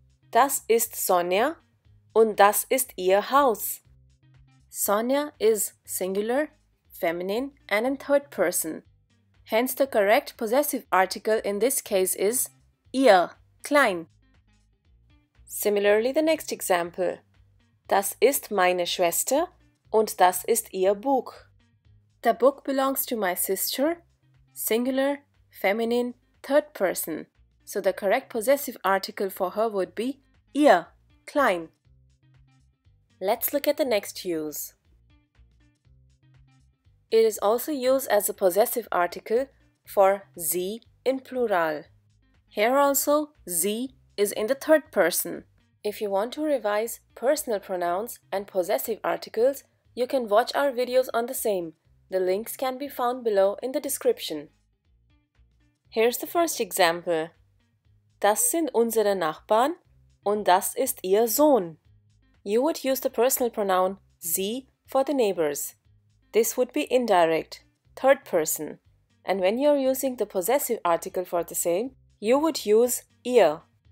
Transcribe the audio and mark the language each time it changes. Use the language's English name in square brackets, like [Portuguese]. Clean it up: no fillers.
[German] Das ist Sonja und das ist ihr Haus. [English] Sonja is singular, feminine and in third person. Hence, the correct possessive article in this case is ihr. Klein. Similarly, the next example. [German] Das ist meine Schwester und das ist ihr Buch. [English] The book belongs to my sister. Singular, feminine, third person. So the correct possessive article for her would be ihr. Klein. Let's look at the next use. It is also used as a possessive article for sie in plural. Here also, sie is in the third person. If you want to revise personal pronouns and possessive articles, you can watch our videos on the same. The links can be found below in the description. Here's the first example. [German] Das sind unsere Nachbarn und das ist ihr Sohn. [English] You would use the personal pronoun sie for the neighbors. This would be indirect, third person. And when you're using the possessive article for the same, you would use ihr.